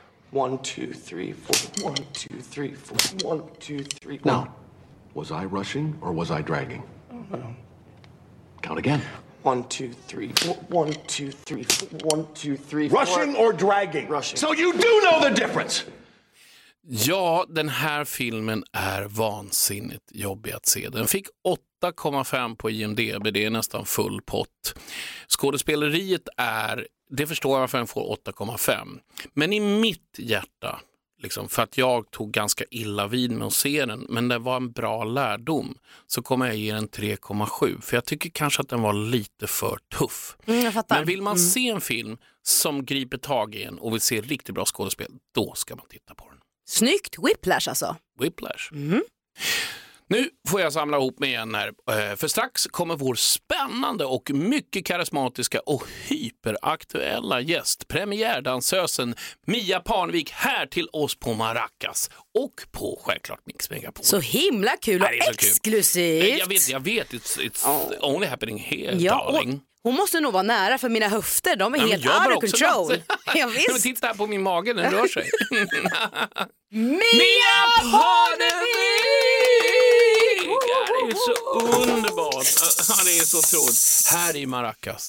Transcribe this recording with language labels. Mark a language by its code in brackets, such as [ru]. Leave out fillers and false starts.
[en] 1, 2, 3, 4. 1, 2, 3, 4. 1, 2, 3, 4. Now, was I rushing or was I dragging? No. Count again. 1, 2, 3, 4. 1, 2, 3, 4. 1, 2, 3, 4. Rushing or dragging? Rushing. So you do know the difference! [sv] Ja, den här filmen är vansinnigt jobbig att se. Den fick 8,5 på IMDb. Det är nästan full pott. Skådespeleriet är, det förstår jag varför den får 8,5. Men i mitt hjärta, liksom, för att jag tog ganska illa vid med att se den, men det var en bra lärdom, så kommer jag ge den 3,7. För jag tycker kanske att den var lite för tuff. Jag fattar. Men vill man se en film som griper tag i en och vill se riktigt bra skådespel, då ska man titta på den. Snyggt! Whiplash alltså. Whiplash. Mm. Nu får jag samla ihop mig igen här, för strax kommer vår spännande och mycket karismatiska och hyperaktuella gäst, premiärdansösen Mia Parnevik, här till oss på Maracas och på självklart Mix Megapol. Så himla kul och exklusivt! Jag vet, [en] it's only happening here, darling. [sv] Hon måste nog vara nära, för mina höfter, de är helt [en] out of control. [sv] Jag visst. Men titta här på min mage, den rör sig. Mia Parnevik! Det är så underbart. Det är så otroligt. Här i Maracas.